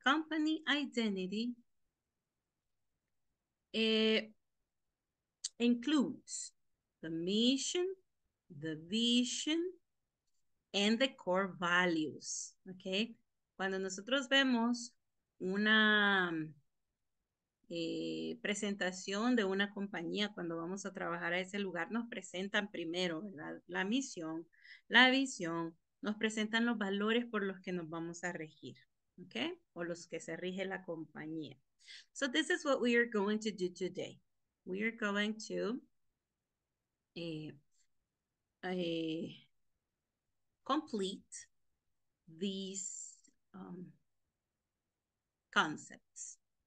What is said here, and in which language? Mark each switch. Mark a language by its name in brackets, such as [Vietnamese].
[English] The company identity includes the mission, the vision, and the core values. Okay? [Spanish] Cuando nosotros vemos una presentación de una compañía, cuando vamos a trabajar a ese lugar, nos presentan primero, ¿verdad? La misión, la visión, nos presentan los valores por los que nos vamos a regir, ¿ok? O los que se rige la compañía. [English] So this is what we are going to do today. We are going to complete these concepts.